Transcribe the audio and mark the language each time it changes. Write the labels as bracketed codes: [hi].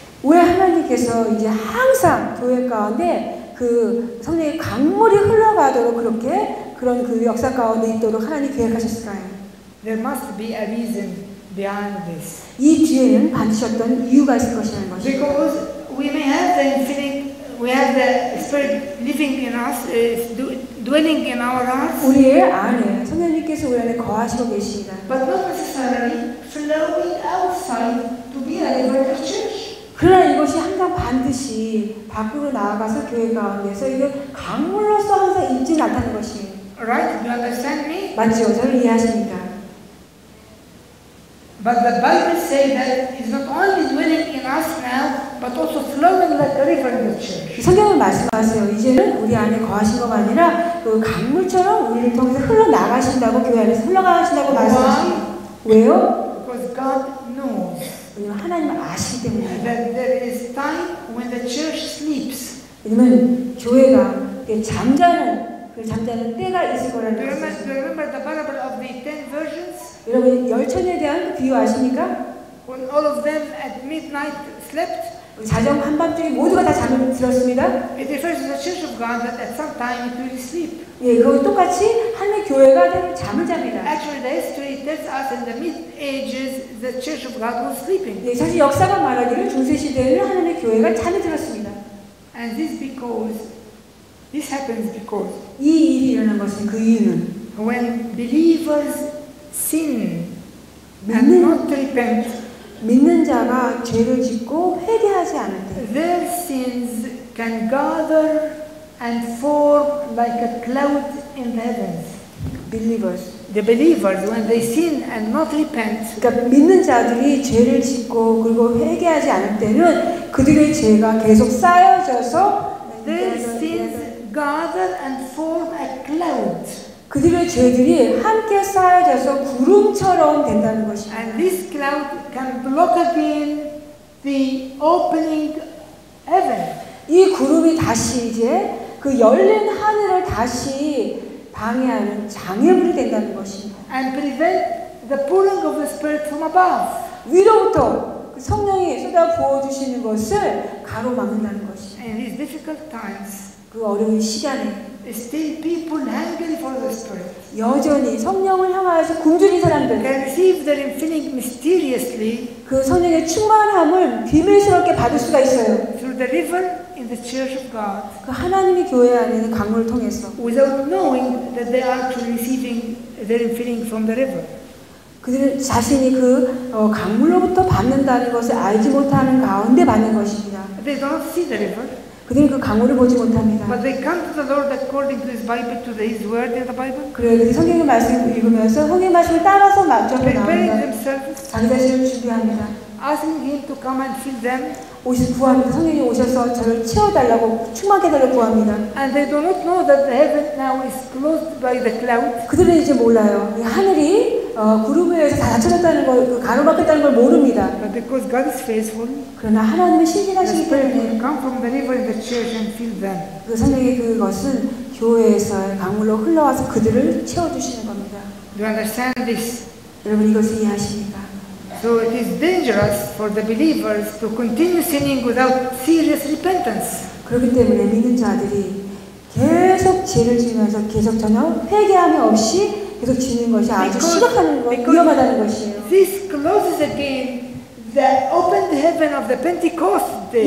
[ko] 왜 하나님께서 이제 항상 교회 가운데 그 성령의 강물이 흘러가도록 그렇게 그런 그 역사 가운데 있도록 하나님 계획하셨을까요? [en] There must be a reason behind this. [ko] 이 뒤에는 받으셨던 이유가 있을 것이라는 것이죠. [en] Because we may have the infinite, we have the spirit living in us, dwelling in our hearts. [ko] 우리의 안에 성령님께서 우리 안에 거하시고 계시다. [en] But not necessarily flowing outside to be a member of the church. [ko] 그러나 이것이 항상 반드시 밖으로 나아가서 교회 가운데서 이게 강물로서 항상 입지 나타나는 것이. [en] Right? You understand me? [ko] 맞죠? 저를 이해하십니까? [en] But the Bible says that it's not only dwelling in us now, but also flowing like a river in the church. [ko] 성경은 말씀하세요. 이제는 우리 안에 거하신 것만 아니라 그 강물처럼 우리를 통해서 흘러나가신다고 교회 안에서 흘러가신다고 말씀하시죠. 왜요? [en] Because God knows. [ko] 왜냐면 하나님 아시기 때문에. [en] That there is time when the church sleeps. [ko] 왜냐면 교회가 잠자는 그 잠자는 때가 있을 거라는 것입니다. [en] Do you remember the parable of the ten virgins? [ko] 여러분 열 처녀에 대한 비유 아십니까? [en] When all of them at midnight slept. [ko] 자정 한밤중에 모두가 다 잠을 들었습니다. [en] It refers to the church of God that at some time it will sleep. [ko] 예, 그리고 똑같이 하나님의 교회가 잠을 잡니다. [en] Actually, the history tells us in the Middle Ages the church of God was sleeping. [ko] 예, 사실 역사가 말하기를 중세 시대에는 하나님의 교회가 잠이 들었습니다. [en] And this because this happens because [ko] 이 일이 일어난 것은 그 이유는 [en] when believers sin and not repent. [ko] 믿는 자가 죄를 짓고 회개하지 않을 때 [en] their sins can gather and form like a cloud in the heavens. Believers. The believers, when they sin and not repent. [ko] 그러니까 믿는 자들이 죄를 짓고 그리고 회개하지 않을 때는 그들의 죄가 계속 쌓여져서 [en] their sins gather and form a cloud. [ko] 그들의 죄들이 함께 쌓여져서 구름처럼 된다는 것입니다. [en] And this cloud can block again the opening heaven. [ko] 이 구름이 다시 이제 그 열린 하늘을 다시 방해하는 장애물이 된다는 것입니다. [en] And prevent the pouring of the Spirit from above. [ko] 위로부터 그 성령이 쏟아 부어주시는 것을 가로막는다는 것입니다. [en] In these difficult times, [ko] 그 어려운 시간에 [en] still people hungry for the Spirit. [ko] 여전히 성령을 향하여서 굶주린 사람들 [en] can receive their infinite mysteriously [ko] 그 성령의 충만함을 비밀스럽게 받을 수가 있어요. [en] Through the river in the church of God. [ko] 그 하나님이 교회 안에 있는 강물을 통해서 [en] without knowing that they are to receiving their infinite from the river. [ko] 그들은 자신이 그 강물로부터 받는다는 것을 알지 못하는 가운데 받는 것입니다. [en] They don't see the river. [ko] 그들은 그 강물을 보지 못합니다. [en] But they come to the Lord according to His Bible, to His Word in the Bible. [ko] 그래, 그 성경의 말씀을 읽으면서 성경의 말씀을 따라서 맞춰서 나옵니다. [en] They pray themselves. [ko] 자기 자신을 준비합니다. [en] Asking Him to come and fill them. [ko] 오신 구합니다. 성령이 오셔서 저를 채워달라고 충만해달라고 구합니다. [en] And they do not know that the heaven now is closed by the cloud. [ko] 그들은 이제 몰라요. 이 하늘이 구름에서 다 닫혀졌다는 걸, 그 가로막혔다는 걸 모릅니다. [en] But because God is faithful. [ko] 그러나 하나님이 신실하시기 때문에. [en] Come from the river in the church and fill them. [ko] 그 성령이 그것은 교회에서 강물로 흘러와서 그들을 채워주시는 겁니다. [en] Do you understand this? [ko] 여러분 이것을 이해하십니까? [en] So it is dangerous for the believers to continue sinning without serious repentance. [ko] 그렇기 때문에 믿는 자들이 계속 죄를 지으면서 계속 전혀 회개함이 없이 계속 지는 것이 아주 [en] because, [ko] 심각한 것, 위험하다는 것이에요. [en] This closes again the opened heaven of the Pentecost day.